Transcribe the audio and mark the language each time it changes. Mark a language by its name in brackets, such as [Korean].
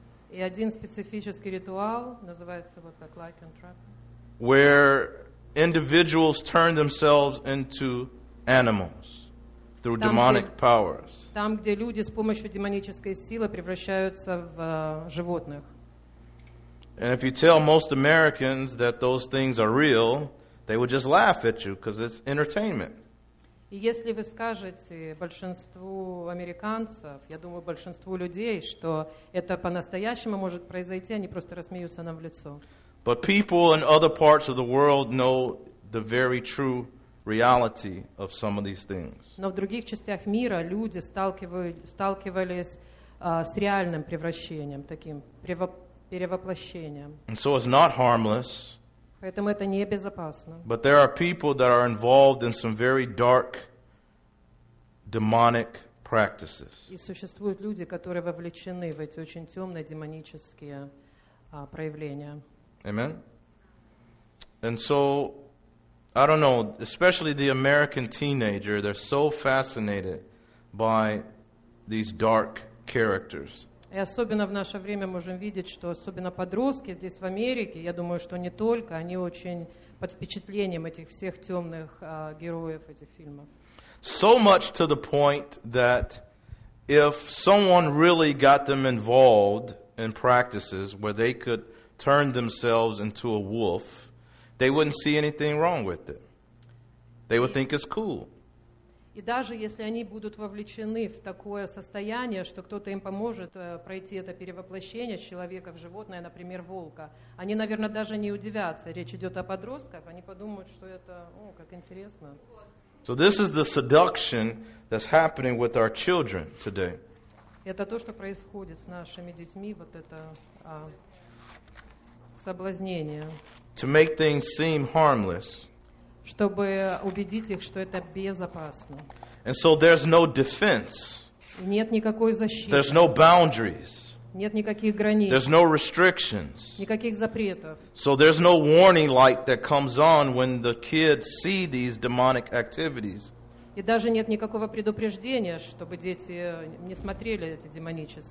[Russian] И один специфический ритуал называется вот как lycanthropy. [English] Where individuals turn themselves into animals. through demonic powers. [Russian] Там, где люди с помощью демонической силы превращаются в животных. [English] And if you tell most Americans that those things are real, they would just laugh at you because it's entertainment. [Russian] И если вы скажете большинству американцев, я думаю, большинству людей, что это по-настоящему может произойти, они просто рассмеются нам в лицо. [English] But people in other parts of the world know the very true reality of some of these things. [Russian] Но в других частях мира люди сталкивались с реальным превращением, таким перевоплощением. [English] And so it's not harmless. [Russian] Поэтому это не безопасно. [English] But there are people that are involved in some very dark demonic practices. [Russian] И существуют люди, которые вовлечены в эти очень темные демонические проявления. [English] Amen. And so, I don't know, especially the American teenager, they're so fascinated by these dark characters. [Russian] И особенно в наше время можем видеть, что особенно подростки здесь в Америке, я думаю, что не только, они очень под впечатлением этих всех темных героев этих фильмов. [English] So much to the point that if someone really got them involved in practices where they could turn themselves into a wolf, they wouldn't see anything wrong with it. They would think it's cool. [Russian] И даже если они будут вовлечены в такое состояние, что кто-то им поможет пройти это перевоплощение человека в животное, например, волка, они, наверное, даже не удивятся. Речь идет о подростках, они подумают, что это, о, как интересно. [English] So this is the seduction that's happening with our children today. [Russian] Это то, что происходит с нашими детьми, вот это соблазнение. [English] To make things seem harmless. [Russian] Чтобы убедить их, что это безопасно. [English] And so there's no defense. [Russian] Нет никакой защиты. [English] There's no boundaries. [Russian] Нет никаких границ. [English] There's no restrictions. [Russian] Никаких запретов. [English] So there's no warning light that comes on when the kids see these demonic activities. [Russian] И даже нет никакого предупреждения, чтобы дети не смотрели эти демонические.